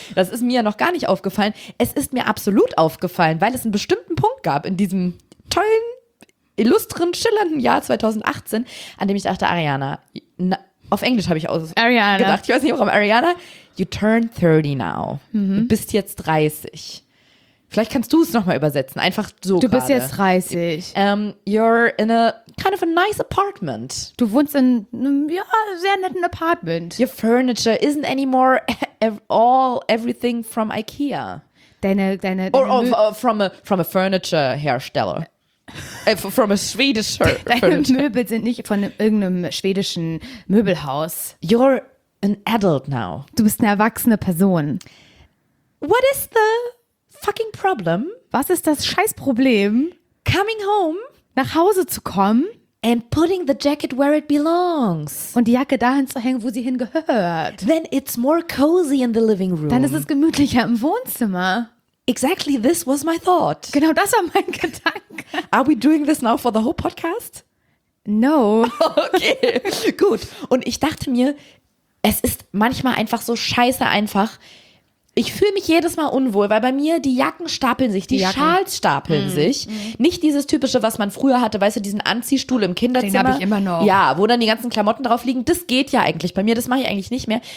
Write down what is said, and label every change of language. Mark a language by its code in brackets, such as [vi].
[de] Das ist mir ja noch gar nicht aufgefallen. Es ist mir absolut aufgefallen, weil es einen bestimmten Punkt gab in diesem tollen, illustren, schillernden Jahr 2018, an dem ich dachte, Ariana, auf Englisch habe ich gedacht. Ich weiß nicht, warum. Ariana, [en] you turn 30 now. Mhm. [de] Du bist jetzt 30. Vielleicht kannst du es nochmal übersetzen, einfach so gerade. Du bist jetzt 30. [en] You're in a kind of a nice apartment. [de] Du wohnst in einem, ja, sehr netten Apartment. [en] Your furniture isn't anymore all everything from IKEA. [de] Deine [en] from a furniture [de] hersteller. [en] From a Swedish furniture. [de] Deine Möbel sind nicht von irgendeinem schwedischen Möbelhaus. [en] You're an adult now. [de] Du bist eine erwachsene Person. [en] What is the fucking problem? [de] Was ist das Scheißproblem? [en] Coming home. [de] Nach Hause zu kommen. [en] And putting the jacket where it belongs. [de] Und die Jacke dahin zu hängen, wo sie hingehört. [en] Then it's more cozy in the living room. [de] Dann ist es gemütlicher im Wohnzimmer. [en] Exactly, this was my thought. [de] Genau das war mein Gedanke. [en] Are we doing this now for the whole podcast? No. [de] Okay, gut. Und ich dachte mir, es ist manchmal einfach so scheiße einfach. Ich fühle mich jedes Mal unwohl, weil bei mir die Jacken stapeln sich, die Schals stapeln sich. Nicht dieses typische, was man früher hatte, weißt du, diesen Anziehstuhl im Kinderzimmer. Den habe ich immer noch. Ja, wo dann die ganzen Klamotten drauf liegen. Das geht ja eigentlich bei mir, das mache ich eigentlich nicht mehr.